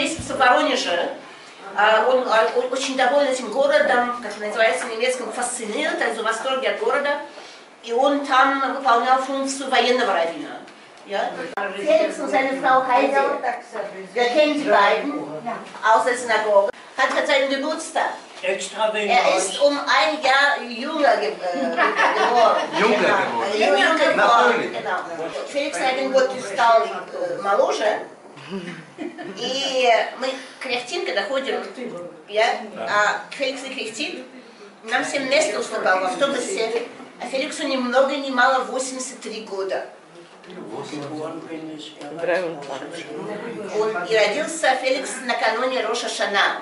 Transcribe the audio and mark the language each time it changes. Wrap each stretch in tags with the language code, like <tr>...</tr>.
<ru>Он очень доволен этим городом, как называется в немецком, фасцинирует, в восторге от города. И он там выполнял функцию военного раввина.</ru> <de>Феликс und seine Frau Heide, wir kennen die beiden, aus der Synagoge, hat seinen Geburtstag. Er ist ein Jahr jünger geworden. Jünger geworden. Genau. Felix hat den Geburtstag</de> <ru>моложе. И мы кряхтим, когда ходим, к Феликсу кряхтим, нам всем место уступало в автобусе, а Феликсу ни много ни мало 83 года. Он и родился Феликс накануне Рош ха-Шана.</ru>